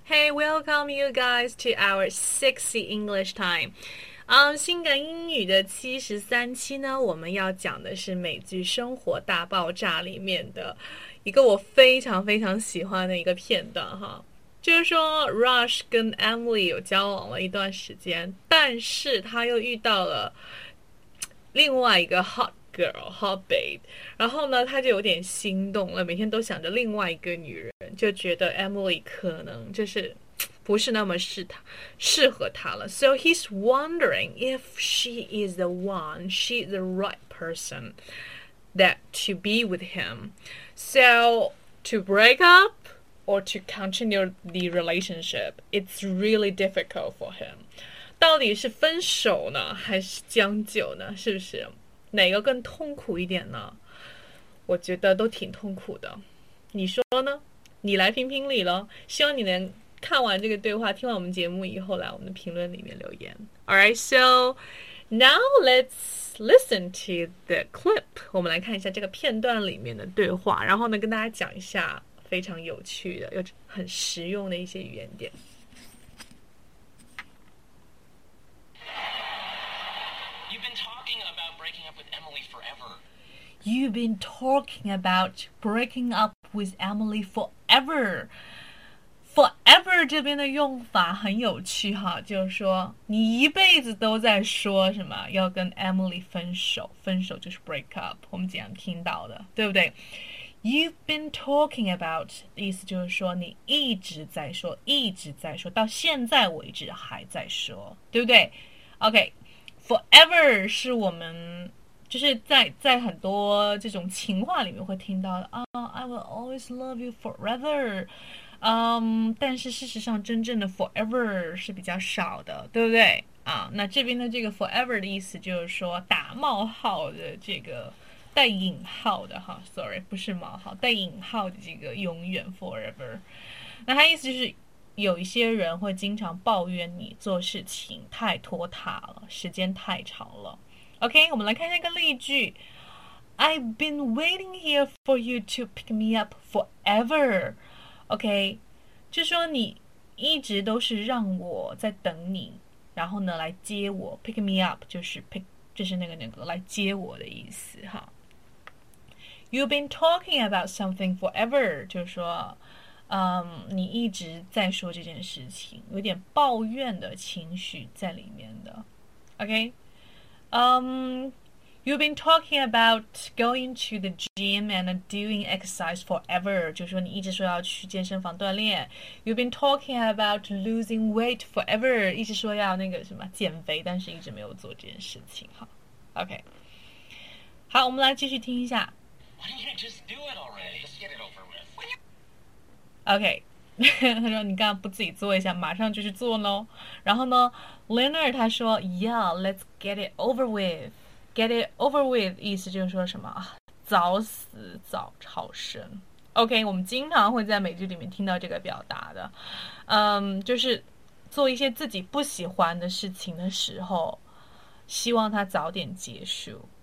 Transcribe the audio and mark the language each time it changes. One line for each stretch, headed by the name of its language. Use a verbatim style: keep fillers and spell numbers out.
English: welcome you guys to our sixty English time.
Chinese: 嗯、um, 性感英语的七十三期呢，我们要讲的是美剧《生活大爆炸》里面的一个我非常非常喜欢的一个片段哈，就是说 Rush 跟 Emily 有交往了一段时间，但是他又遇到了另外一个
English: hot girl hot babe，
Chinese: 然后呢他就有点心动了，每天都想着另外一个女人，就觉得 Emily 可能就是不是那么适他适合他了。
English: So he's wondering if she is the one, she's the right person that to be with him. So to break up or to continue the relationship, it's really difficult for him.
Chinese: 到底是分手呢还是将就呢？是不是哪个更痛苦一点呢？我觉得都挺痛苦的，你说呢？你来评评理了，希望你能看完这个对话，听完我们节目以后来我们的评论里面留言。
English: Alright, so now let's listen to the clip.
Chinese: 我们来看一下这个片段里面的对话，然后呢跟大家讲一下非常有趣的又很实用的一些语言点。
English: You've been talking about breaking up with Emily forever. You've been talking about breaking up with Emily forever.
Chinese: Forever 这边的用法很有趣哈，就是说你一辈子都在说什么要跟 Emily 分手，分手就是 break up， 我们经常听到的，对不对？
English: You've been talking about
Chinese: 意思就是说你一直在说，一直在说，到现在为止还在说，对不对？ OK， Forever 是我们就是在在很多这种情话里面会听到的啊、
English: oh, I will always love you forever。
Chinese: 嗯、um, 但是事实上真正的 forever 是比较少的，对不对啊？那这边的这个 forever 的意思就是说打冒号的，这个带引号的哈 sorry 不是冒号，带引号的这个永远 forever。那它意思就是有一些人会经常抱怨你做事情太拖沓了，时间太长了。 OK， 我们来看一个例句。
English: I've been waiting here for you to pick me up forever。
Chinese: OK， 就说你一直都是让我在等你，然后呢来接我。
English: Pick me up
Chinese: 就是 pick 就是那个那个来接我的意思哈。
English: You've been talking about something forever
Chinese: 就是说嗯，你一直在说这件事情，有点抱怨的情绪在里面的。
English: OK， 嗯、um,You've been talking about going to the gym and doing exercise forever.
Chinese: 就是说你一直说要去健身房锻炼。
English: You've been talking about losing weight forever.
Chinese: 一直说要那个什么减肥，但是一直没有做这件事情。好 ，OK， 好，我们来继续听一下。
English: Why don't you just do it already? Just get it over with.
Chinese: OK， 他说你干嘛不自己做一下，马上就去做喽。然后呢
English: ，Leonard
Chinese: 他说
English: ，Yeah, let's get it over with. Get it over with
Chinese: 意思就是说什么啊，早死早超生。 OK， 我们经常会在美剧里面听到这个表达的。嗯，就是做一些自己不喜欢的事情的时候，希望它早点结束。